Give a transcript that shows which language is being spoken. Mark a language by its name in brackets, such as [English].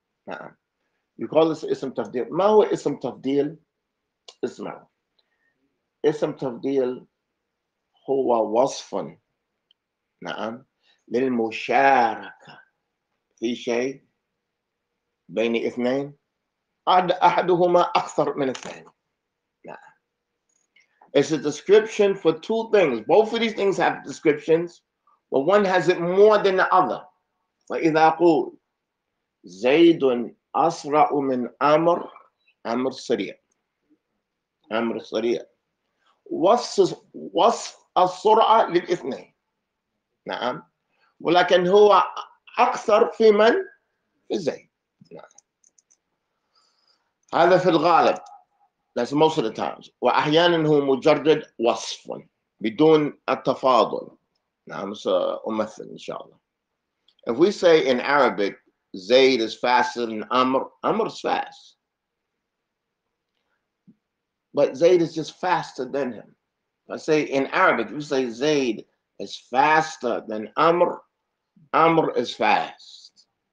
[Arabic] نعم، [English] you call this [Arabic] اسم تفضيل. ما هو اسم تفضيل؟ اسمع، اسم تفضيل هو وصف، نعم، للمشاركة في شيء بين اثنين أحدهما أكثر من الثاني. [English] نعم، it's a description for two things. Both of these things have descriptions, but one has it more than the other. [Arabic] فإذا قول زيد أسرع من أمر، أمر سريع، أمر سريع، وصف السرعة للاثنين. نعم، ولكن هو أكثر في من؟ في زيد. نعم، هذا في الغالب، [English] that's most of the times. [Arabic] وأحيانا هو مجرد وصف بدون التفاضل. نعم، سأمثل إن شاء الله. [English] If we say in Arabic, Zayd is faster than Amr, Amr is fast. But Zayd is just faster than him. I say in Arabic, if we say Zayd is faster than Amr, Amr is fast.